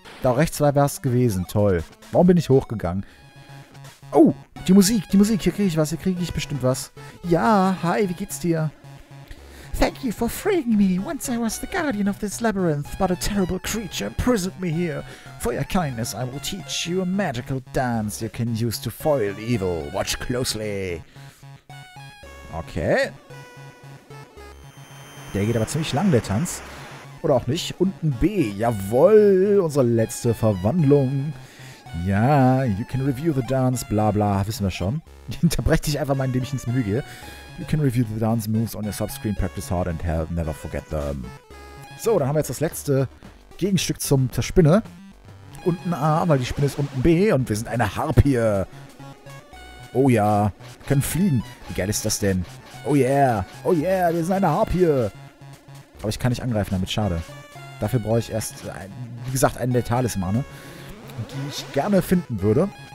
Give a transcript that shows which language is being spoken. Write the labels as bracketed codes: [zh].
[de] Da rechts wär's gewesen, toll. Warum bin ich hochgegangen? Oh, die Musik. Hier kriege ich bestimmt was. Ja, hi, wie geht's dir? [en] Thank you for freeing me. Once I was the guardian of this labyrinth, but a terrible creature imprisoned me here. For your kindness, I will teach you a magical dance you can use to foil evil. Watch closely. [de] Okay. Der geht aber ziemlich lang, der Tanz. Oder auch nicht. Unten B. Jawohl, unsere letzte Verwandlung. Ja, [en] you can review the dance, [de] bla bla, wissen wir schon. Ich unterbreche dich einfach mal, indem ich ins Menü gehe. [en] You can review the dance moves on your subscreen, practice hard and have never forget them. [de] So, dann haben wir jetzt das letzte Gegenstück zur Spinne. Unten A, weil die Spinne ist unten B und wir sind eine Harpie. Oh ja, wir können fliegen. Wie geil ist das denn? Oh yeah, wir sind eine Harpie. Aber ich kann nicht angreifen damit, schade. Dafür brauche ich erst, wie gesagt, einen der Talismane, die ich gerne finden würde.